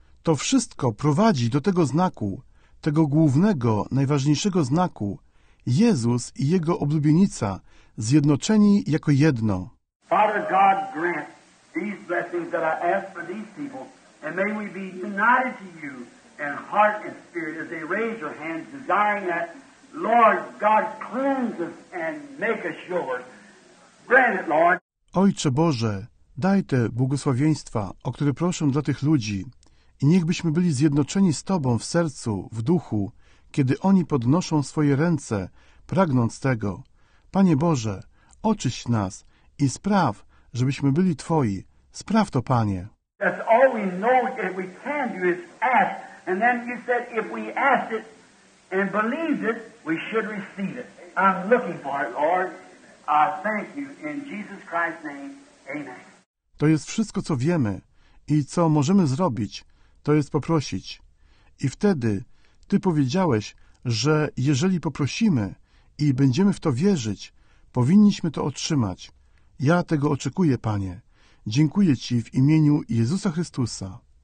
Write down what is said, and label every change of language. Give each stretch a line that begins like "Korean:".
Polish: To wszystko prowadzi do tego znaku, tego głównego, najważniejszego znaku. Jezus i Jego oblubienica, zjednoczeni jako jedno.
English: Father God, grant these blessings that I ask for these people, and may we be united to you in heart and spirit as they raise your hands, desiring that, Lord God, cleanse us and make us yours. spreading it, Lord.
Polish: Ojcze Boże, daj te błogosławieństwa, o które proszę dla tych ludzi i niechbyśmy byli zjednoczeni z Tobą w sercu, w duchu, kiedy oni podnoszą swoje ręce, pragnąc tego. Panie Boże, oczyś nas i spraw, żebyśmy byli Twoi. Spraw to, Panie.
English: That's all we know that we can do is ask. And then you said if we ask it and believe it, we should receive it. I'm looking for it, Lord. I thank you in Jesus Christ's name. Amen.
Polish: To jest wszystko, co wiemy i co możemy zrobić, to jest poprosić. I wtedy Ty powiedziałeś, że jeżeli poprosimy i będziemy w to wierzyć, powinniśmy to otrzymać. Ja tego oczekuję, Panie. Dziękuję Ci w imieniu Jezusa Chrystusa.